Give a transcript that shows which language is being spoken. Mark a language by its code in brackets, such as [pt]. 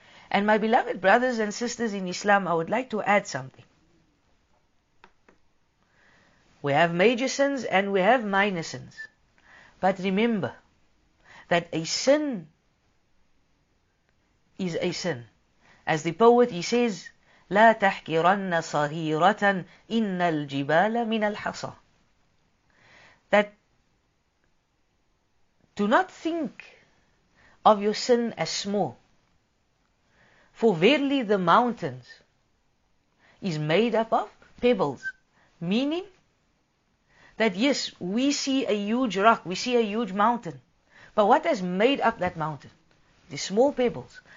[en] And my beloved brothers and sisters in Islam, I would like to add something. We have major sins and we have minor sins. But remember that a sin is a sin. As the poet, he says, [ar] لا تحقرن صغيرة إن الجبال من الحصى. [en] That do not think of your sin as small, for verily the mountains is made up of pebbles. Meaning that yes, we see a huge rock, we see a huge mountain, but what has made up that mountain? The small pebbles.